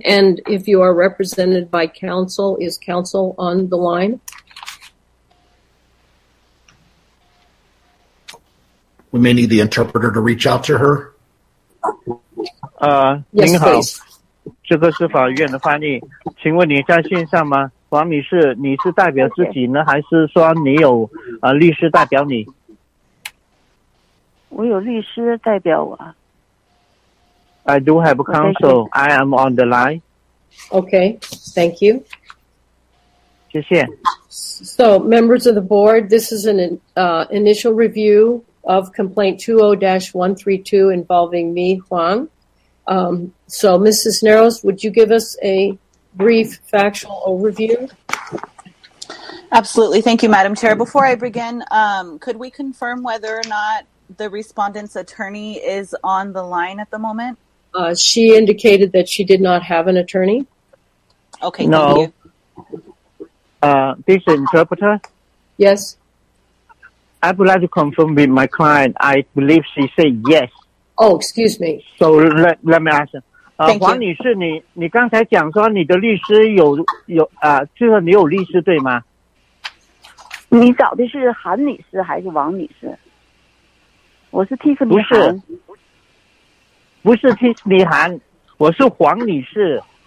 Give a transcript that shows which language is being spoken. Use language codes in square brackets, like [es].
[en] And if you are represented by counsel, is counsel on the line? We may need the interpreter to reach out to her. Yes, please. [zh] 这个是法院的翻译，请问你在线上吗？王女士，你是代表自己呢？还是说你有律师代表你？我有律师代表我。 [en] I do have counsel. I am on the line. Okay, thank you. [zh] 谢谢。 [en] So, members of the board, this is an initial review of complaint 20-132 involving me, Huang. So, Ms. Cisneros, would you give us a brief factual overview? Absolutely. Thank you, Madam Chair. Before I begin, could we confirm whether or not the respondent's attorney is on the line at the moment? She indicated that she did not have an attorney. Okay, thank you. This interpreter? Yes. I would like to confirm with my client. I believe she said yes. Oh, excuse me. So let me ask. Thank you. [zh] 王女士，你刚才讲说你的律师有就是你有律师对吗？你找的是韩女士还是王女士？我是Tiffany韩，不是Tiffany韩，我是黄女士。